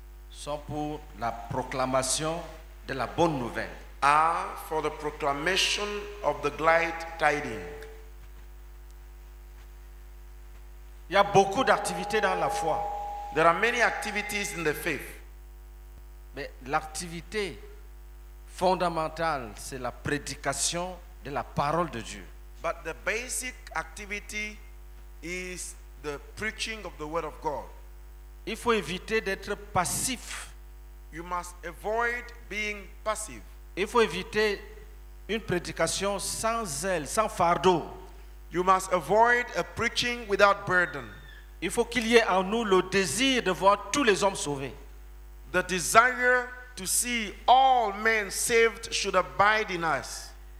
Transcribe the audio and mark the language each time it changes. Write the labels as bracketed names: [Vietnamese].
[French] sont pour la proclamation de la bonne nouvelle. [English] Are for the proclamation of the glad tidings. [French] Il y a beaucoup d'activités dans la foi. [English] There are many activities in the faith. [French] Mais l'activité fondamentale, c'est la prédication de la parole de Dieu. [English] But the basic activity is the preaching of the word of God. [French] Il faut éviter d'être passif. [English] You must avoid being passive. [French] Il faut éviter une prédication sans zèle, sans fardeau. [English] You must avoid a preaching without burden. [French] Il faut qu'il y ait en nous le désir de voir tous les hommes sauvés. [English] The desire to see all men saved should abide in us.